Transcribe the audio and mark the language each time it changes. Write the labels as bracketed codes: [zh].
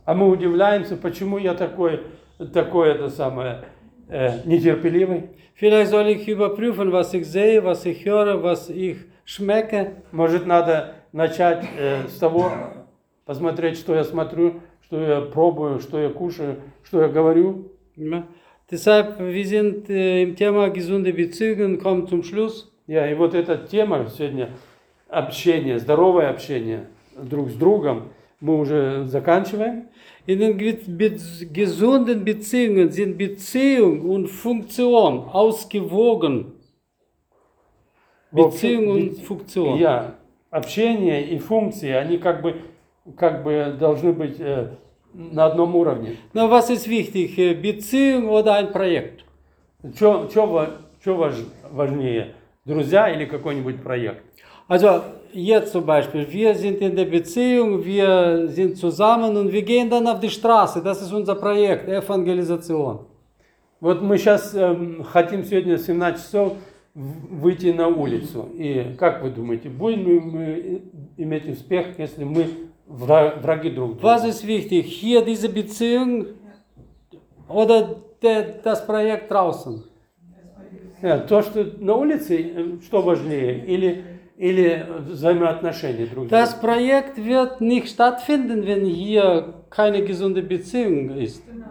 [ru] А мы удивляемся, почему я такой, такой это самое, нетерпеливый. [de] Vielleicht soll ich überprüfen, was ich sehe, was ich höre, was ich schmecke. [ru] Может, надо начать с того, посмотреть, что я смотрю, что я пробую, что я кушаю, что я говорю. [de] Deshalb, wir sind im Thema gesunde Beziehungen, kommen zum Schluss. [ru] Ja, и вот эта тема сегодня, общение, здоровое общение. Друг с другом мы уже заканчиваем. [de] In den gesunden Beziehungen sind Beziehung und Funktion ausgewogen. Beziehung und Funktion. [ru] Ja, общение и функции, они как бы должны быть на одном уровне. [de] Но was ist wichtig, Beziehung oder ein Projekt? [ru] Что важнее, друзья или какой-нибудь проект? [de] Also, jetzt zum Beispiel, wir sind in der Beziehung, wir sind zusammen und wir gehen dann auf die Straße. Das ist unser Projekt, Evangelisation. [ru] Вот мы сейчас хотим сегодня 17 часов выйти на улицу. И как вы думаете, будем ли мы иметь успех, если мы враги друг друга? [de] Was ist wichtig, hier diese Beziehung oder das Projekt draußen? [ru] То, что на улице, что важнее, или... Или взаимоотношения друг с другом. [de] Das Projekt wird nicht stattfinden, wenn hier keine gesunde Beziehung ist.